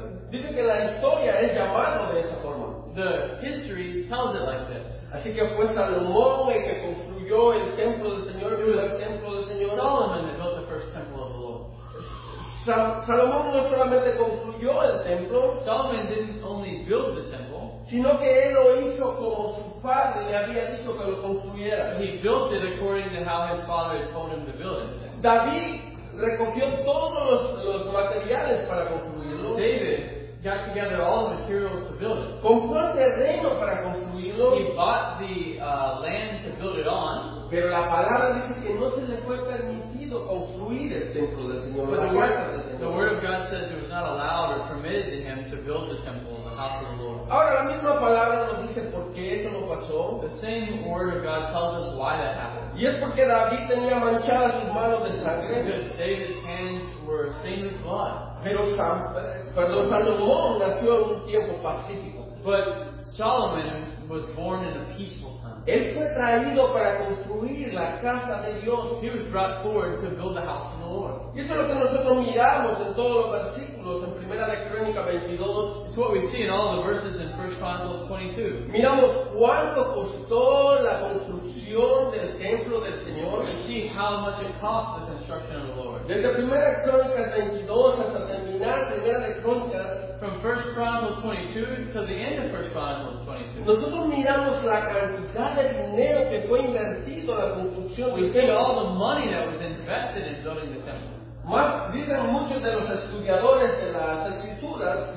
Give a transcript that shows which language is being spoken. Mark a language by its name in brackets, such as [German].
[Spanish] Dice que la historia es llamado de esa forma. [English] The history tells it like this. [Spanish] Así que fue Salomón el que construyó el templo del Señor. [English] It was Solomon that built the first temple of the Lord. [Spanish] Salomón no solamente construyó el templo. [English] Solomon didn't only build the temple. [Spanish] Sino que él lo hizo como su padre le había dicho que lo construyera. [English] He built it according to how his father had told him to build it. [Spanish] David recogió todos los materiales para construirlo. [English] David got together all the materials to build it. [Spanish] Compró terreno para construirlo. [English] He bought the land to build it on. [Spanish] Pero la palabra dice que no se le fue permitido construir el templo del Señor. [English] But the word of God says it was not allowed or permitted to him to build the temple, the house of the Lord. [Spanish] Ahora la misma palabra nos dice por qué eso no pasó. [English] The same word of God tells us why that happened. [Spanish] Y es porque David tenía manchadas sus manos de sangre. [English] Because David's hands were stained with blood. [Spanish] Pero Salomón nació en un tiempo pacífico. [English] But Solomon was born in a peaceful time. [Spanish] Él fue traído para construir la casa de Dios. [English] He was brought forward to build the house of the Lord. [Spanish] Y eso es lo que nosotros miramos en todos los versículos en Primera de Crónicas 22. [English] It's what we see in all the verses in 1 Chronicles 22. [Spanish] Miramos cuánto costó la construcción del templo del Señor. [English] We see how much it cost the construction of the Lord. [Spanish] Desde Primera de Crónicas 22 hasta terminar Primera de Crónicas. [English] From 1 Chronicles 22 to the end of 1 Chronicles 22. [Spanish] Nosotros miramos la cantidad de dinero que fue invertido en la construcción. [English] We see all the money that was invested in building the temple. [Spanish] Más dicen muchos de los estudiadores de las escrituras.